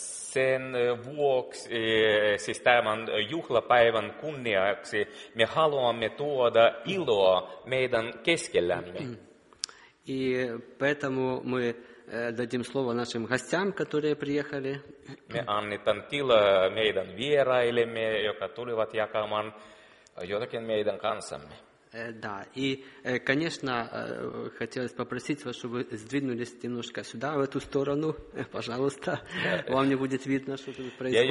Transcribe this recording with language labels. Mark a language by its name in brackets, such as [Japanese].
[Finnish] Sen vuoksi, siis tämän juhlapäivän kunniaksi, me haluamme tuoda iloa meidän keskellämme. [Russian] И поэтому мы дадим слово нашим гостям, которые приехали. [Finnish] Me annetaan tilaa meidän vierailemme, jotka tulivat jakamaan jotakin meidän kanssamme. [Russian] Да, и, конечно, хотелось попросить вас, чтобы вы сдвинулись немножко сюда, в эту сторону, пожалуйста. Вам не будет видно, что тут происходит.